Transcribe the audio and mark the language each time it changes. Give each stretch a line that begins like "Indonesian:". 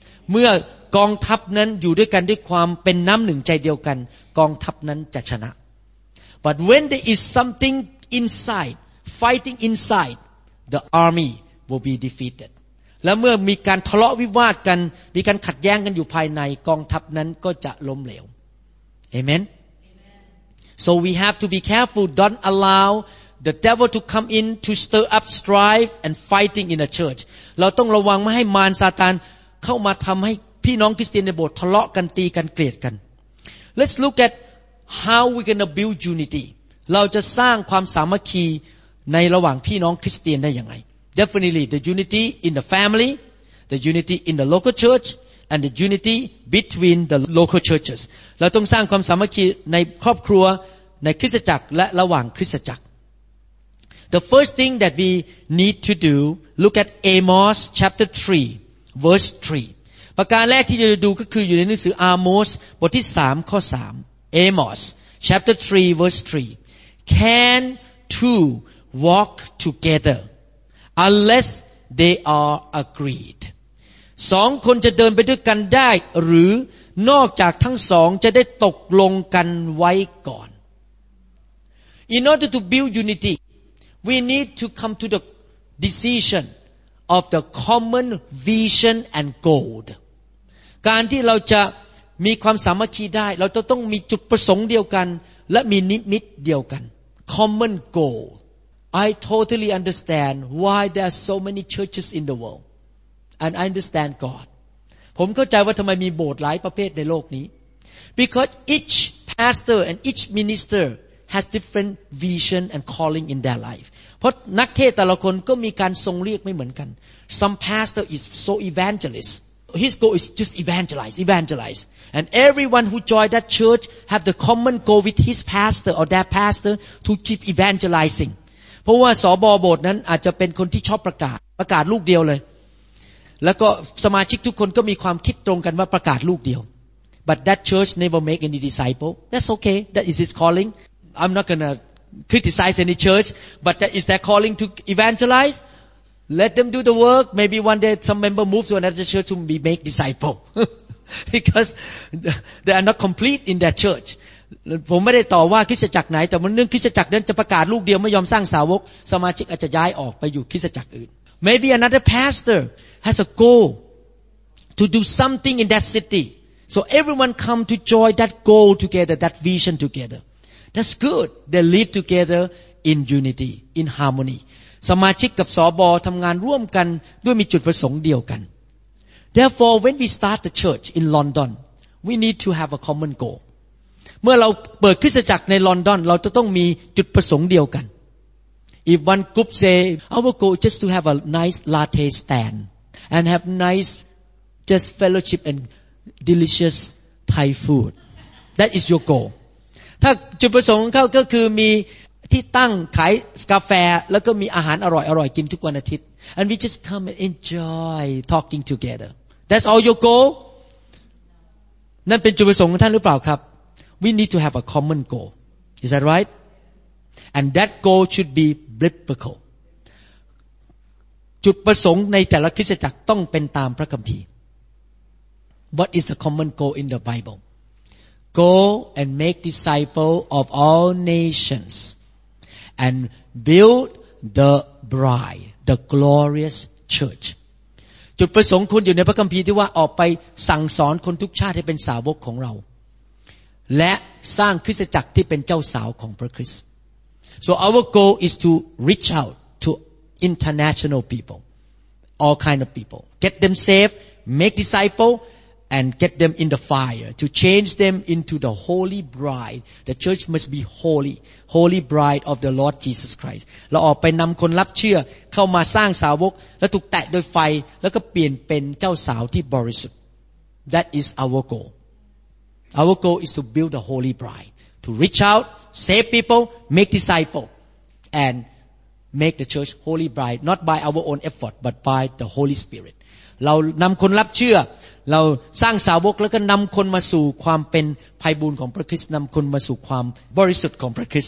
Thai: เมื่อกองทัพนั้นอยู่ด้วยกันด้วยความเป็นน้ำหนึ่งใจเดียวกันกองทัพนั้นจะชนะ
English: But when there is something insideFighting inside, the army will be defeated.
Thai: และเมื่อมีการทะเลาะวิวาทกันมีการขัดแย้งกันอยู่ภายในกองทัพนั้นก็จะล้มเหลว Amen.
English: So we have to be careful, don't allow the devil to come in to stir up strife and fighting in the church.
Thai: เราต้องระวังไม่ให้มารซาตานเข้ามาทำให้พี่น้องคริสเตียนในโบสถ์ทะเลาะกันตีกันเกลียดกัน
English: Let's look at how we're going to build unity.
Thai: เราจะสร้างความสามัคคีในระหว่างพี่น้องคริสเตียนได้ยังไง
English: Definitely the unity in the family, the unity in the local church, and the unity between the local churches.
Thai: เราต้องสร้างความสามัคคีในครอบครัวในคริสตจักรและระหว่างคริสตจักร
English: The first thing that we need to do, look at Amos chapter 3, verse 3.
Thai: ประการแรกที่จะดูก็คืออยู่ในหนังสืออาโมสบทที่3ข้อ3
English: Amos chapter 3 verse 3 Can two walk together unless they are agreed
Thai: 2คนจะเดินไปด้วยกันได้หรือนอกจากทั้ง2จะได้ตกลงกันไว้ก่อน
English: In order to build unity we need to come to the decision of the common vision and goal
Thai: การที่เราจะมีความสามัคคีได้เราจะต้องมีจุดประสงค์เดียวกันและมีนิมิตเดียวกัน
English: common goal I totally understand why there are so many churches in the world and I understand God
Thai: ผมเข้าใจว่าทำไมมีโบสถ์หลายประเภทในโลกนี้
English: because each pastor and each minister has different vision and calling in their life
Thai: เพราะนักเทศแต่ละคนก็มีการทรงเรียกไม่เหมือนกัน
English: some pastor is so evangelistHis goal is just evangelize, evangelize. And everyone who joined that church have the common goal with his pastor or their pastor to keep evangelizing.
Thai: เพราะว่าสบโบสถ์นั้นอาจจะเป็นคนที่ชอบประกาศประกาศลูกเดียวเลยแล้วก็สมาชิกทุกคนก็มีความคิดตรงกันว่าประกาศลูกเดียว
English: But that church never make any disciple. That's okay. That is its calling. I'm not going to criticize any church, but that is their calling to evangelize. Let them do the work. Maybe one day some member move to another church to be make disciple. Because they are not complete in that church.
Thai: ผมไม่ได้ต่อว่าคริสตจักรไหนแต่มันเรื่องคริสตจักรนั้นจะประกาศลูกเดียวไม่ยอมสร้างสาวกสมาชิกอาจจะย้ายออกไปอยู่คริสตจักรอื่น
English: Maybe another pastor has a goal to do something in that city. So everyone come to join that goal together, that vision together. That's good. They live together in unity, in harmony.
Thai: สมาชิกกับสบทำงานร่วมกันด้วยมีจุดประสงค์เดียวกัน
English: Therefore when we start the church in London we need to have a common goal
Thai: เมื่อเราเปิดคริสตจักรในลอนดอนเราจะต้องมีจุดประสงค์เดียวกัน
English: If one group say our goal just to have a nice latte stand and have nice just fellowship and delicious Thai food that is your goal
Thai: ถ้าจุดประสงค์ของเขาก็คือมีที่ตั้งขายกาแฟแล้วก็มีอาหารอร่อยอร่อยกินทุกวันอาทิตย์
English: and we just come and enjoy talking together that's all your goal
Thai: นั่นเป็นจุดประสงค์ของท่านหรือเปล่าครับ
English: we need to have a common goal is that right and that goal should be biblical
Thai: จุดประสงค์ในแต่ละคริสตจักรต้องเป็นตามพระคัมภีร์
English: what is the common goal in the Bible go and make disciple of all nationsAnd build the bride, the glorious church.
Thai: จุดประสงค์คุณอยู่ในพระคัมภีร์ที่ว่าออกไปสั่งสอนคนทุกชาติให้เป็นสาวกของเราและสร้างคริสตจักรที่เป็นเจ้าสาวของพระคริสต์
English: So our goal is to reach out to international people, all kind of people. Get them saved, make disciples, and get them in the fire to change them into the holy bride. The church must be holy. Holy Bride of the Lord Jesus Christ.
Thai: เราออกไปนำคนรับเชื่อเข้ามาสร้างสาวกและถูกแตะโดยไฟแล้วก็เปลี่ยนเป็นเจ้าสาวที่บริสุทธิ์
English: That is our goal. Our goal is to build the Holy Bride. To reach out, save people, make disciples, and make the church Holy Bride. Not by our own effort, but by the Holy Spirit.
Thai: เรานำคนรับเชื่อเราสร้างสาวกแล้วก็นำคนมาสู่ความเป็นไพบูลย์ของพระคริสต์นำคนมาสู่ความบริสุทธิ์ของพระคริสต